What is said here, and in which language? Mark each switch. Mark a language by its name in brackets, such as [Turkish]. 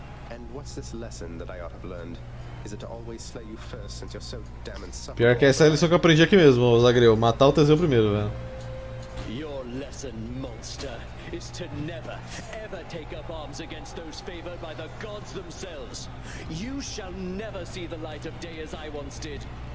[English] And what's this lesson that I ought to have learned? Is it to always slay you first since you're so damn insufferable? [Portuguese] Pior que essa é a lição que eu aprendi aqui mesmo, Zagreu, matar o Teseu primeiro, velho. [English] Your lesson, monster, is to never, ever take up arms against those favored by the gods themselves. You shall never see the light of day as I once did.